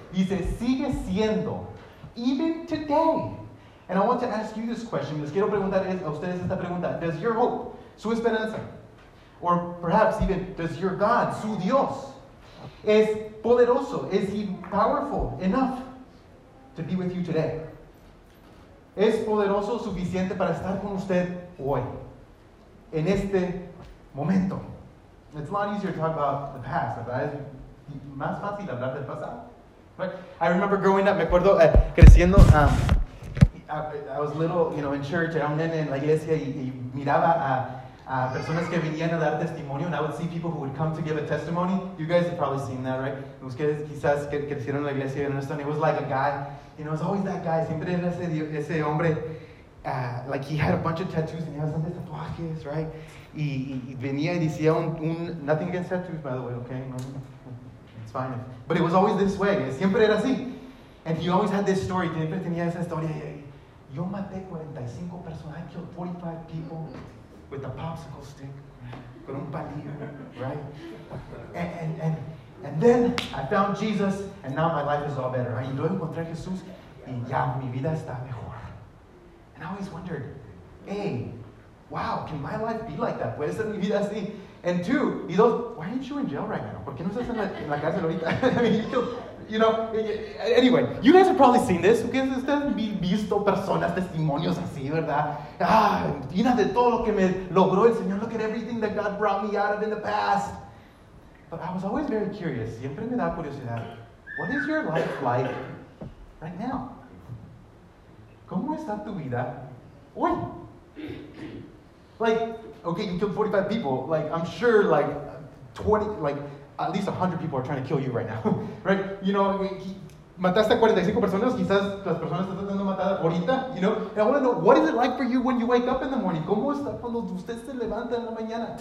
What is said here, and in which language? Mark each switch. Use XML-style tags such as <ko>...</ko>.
<es>Dice, sigue siendo.</es> <en>Even today. And I want to ask you this question.</en> <es>Les quiero preguntar a ustedes esta pregunta.</es> <en>Does your hope,</en> <es>su esperanza,</es> <en>or perhaps even, does your God,</en> <es>su Dios, es poderoso?</es> <en>Is he powerful enough to be with you today?</en> <es>¿Es poderoso suficiente para estar con usted hoy? En este momento.</es> <en>It's a lot easier to talk about the past, ¿verdad?</en> <es>Es más fácil hablar del pasado.</es> <en>Right? I remember growing up,</en> <es>me acuerdo creciendo...</es> <en>I was little, you know, in church,</en> <es>era un nene en la iglesia, y miraba a... personas que venían a dar testimonio,</es> <en>and I would see people who would come to give a testimony. You guys have probably seen that, right?</en> <es>Ustedes quizás crecieron en la iglesia,</es> <en>and it was like a guy, you know, it was always that guy.</en> <es>Siempre era ese hombre,</es> <en>like he had a bunch of tattoos, and he had some tatuajes, right?</en> <es>Y venía y decía</es> <en>nothing against tattoos, by the way, okay? It's fine. But it was always this way.</en> <es>Siempre era así.</es> <en>And he always had this story.</en> <es>Siempre tenía esa historia. Yo maté 45 personas.</es> <en>I killed 45 people. With a popsicle stick,</en> <es>con un palillo,</es> <en>right? And then I found Jesus, and now my life is all better.</en> <es>Y luego encontré a Jesús, y ya mi vida está mejor.</es> <en>And I always wondered, hey, wow, can my life be like that?</en> <es>¿Puede ser mi vida así?</es> <en>And two, y dos, why aren't you in jail right now?</en> <es>¿Por qué no estás en la cárcel ahorita?</es> <en>I mean, anyway, you guys have probably seen this.</en> <es>Ustedes han visto personas, testimonios así, ¿verdad? Llena de todo lo que me logró el Señor.</es> <en>Look at everything that God brought me out of in the past. But I was always very curious.</en> <es>Siempre me da curiosidad.</es> <en>What is your life like right now?</en> <es>¿Cómo está tu vida hoy?</es> <en>Like, okay, you killed 45 people. Like, I'm sure, like, 20, like... at least 100 people are trying to kill you right now, right? You know,</en> <es>mataste a 45 personas, quizás las personas están tratando de matar ahorita,</es> <en>you know? And I want to know, what is it like for you when you wake up in the morning?</en> <es>¿Cómo está cuando usted se levanta en la mañana?</es>